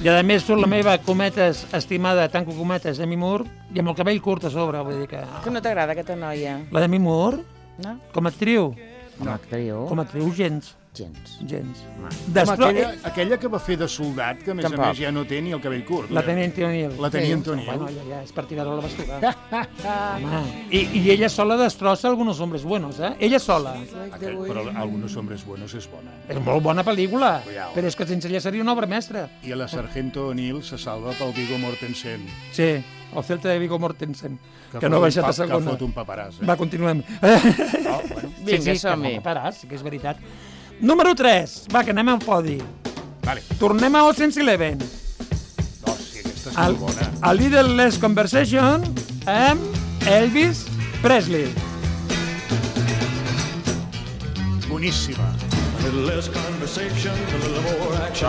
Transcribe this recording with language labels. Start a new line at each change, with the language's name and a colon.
Catalan: I a més surt la meva Cometes estimada, tanco Cometes, Demi Moore, i amb el cabell curt a sobre, vull dir que... Que no t'agrada aquesta noia? La Demi Moore? No. Com a actriu? Com a actriu? Com a actriu, gens. Gens. Després... Aquella que va fer de soldat, que a més ja no té ni el cabell curt. La Tenient O'Neill. La Tenient O'Neill. Bueno, ja és per tirar-ho a la bastuga. I ella sola destrossa Algunos Hombres Buenos, eh? Ella sola. Però Algunos Hombres Buenos és bona. És molt bona pel·lícula. Però és que sense ella seria una obra mestra. I la Sargento O'Neill se salva pel Viggo Mortensen. Sí. El Celta de Viggo Mortensen, que no ha baixat a segona. Que fot un paperàs, eh? Va, continuem. Oh, bueno. Vinga, som-hi. Que paperàs, que és veritat. Número 3. Va, que anem al podi. Vale. Tornem a Ocean's Eleven. Hòstia, aquesta és molt bona. A Little Less Conversation amb Elvis Presley. Boníssima.
English: A little less conversation, a little more action.